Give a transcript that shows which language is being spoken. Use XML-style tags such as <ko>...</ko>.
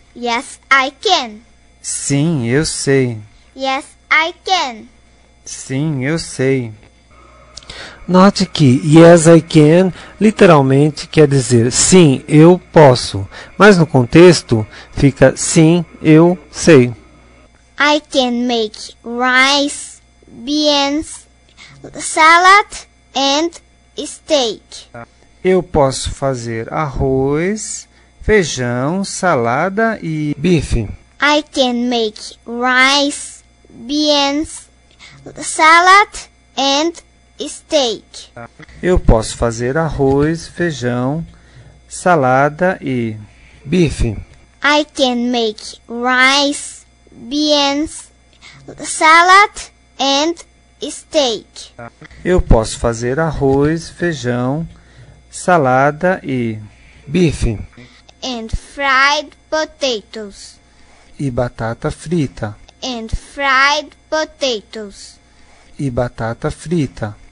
<en>Yes, I can.</en> <pt>Sim, eu sei.</pt> <en>Yes, I can.</en> <pt>Sim, eu sei. Note que</pt> <en>yes, I can</en> <pt>literalmente quer dizer sim, eu posso. Mas no contexto fica sim, eu sei.</pt> <en>I can make rice, beans, salad and steak.</en> <pt>Eu posso fazer arroz, feijão, salada e bife.</pt> <en>I can make rice, beans, salad and steak.</en> <pt>Eu posso fazer arroz, feijão, salada e bife.</pt> <en>I can make rice, beans, salad and steak.</en> <pt>Eu posso fazer arroz, feijão, salada e bife.</pt> <en>And fried potatoes.</en> <pt>E batata frita.</pt> <en>And fried potatoes.</en> <pt>E batata frita.</pt>